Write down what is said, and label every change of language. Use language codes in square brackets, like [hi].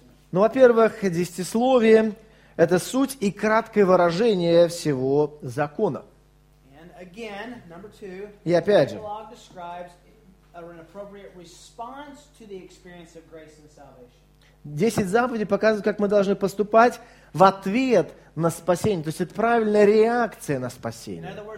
[ru] Ну, во-первых, десятисловие Это суть и краткое выражение всего закона. [en] And again, number two, [ru] и опять же, [en] Prologue describes an appropriate response to the experience of grace and salvation. [ru] Десять заповедей показывают, как мы должны поступать в ответ на спасение. То есть это правильная реакция на спасение.